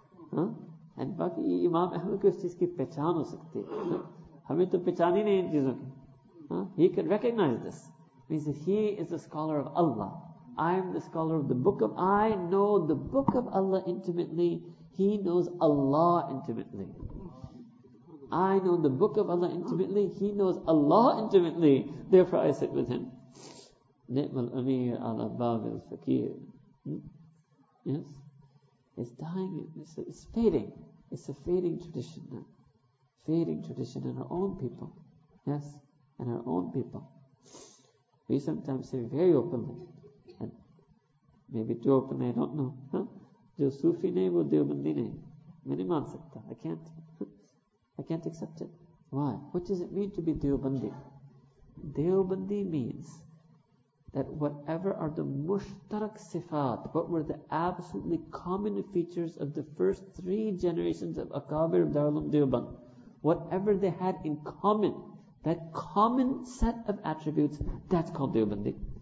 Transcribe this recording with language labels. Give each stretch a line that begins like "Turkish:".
Urdu: And باقی امام احمد کو اس چیز کی پہچان ہو سکتی ہے۔ ہمیں تو پہچان ہی نہیں ان چیزوں کی۔
English: He can recognize this. Means that he is the scholar of Allah. I am the scholar of the book of I know the book of Allah intimately. He knows Allah intimately. I know the book of Allah intimately. He knows Allah intimately. Therefore, I sit with him.
Arabic: Ni'mal amir ala babil fakir.
English: Yes? It's dying. It's fading. It's a fading tradition now. Fading tradition in our own people. Yes? In our own people. We sometimes say very openly. And maybe too openly, I don't know.
Urdu: جو صوفی نہیں، وہ دیوبندی نہیں۔ میں نہ مان سکتا۔
English: I can't. I can't accept it. Why? What does it mean to be Deobandi? Deobandi means that whatever are the mushtarak sifat, what were the absolutely common features of the first three generations of Akabir of Darul Uloom Deoband, whatever they had in common, that common set of attributes, that's called Deobandi.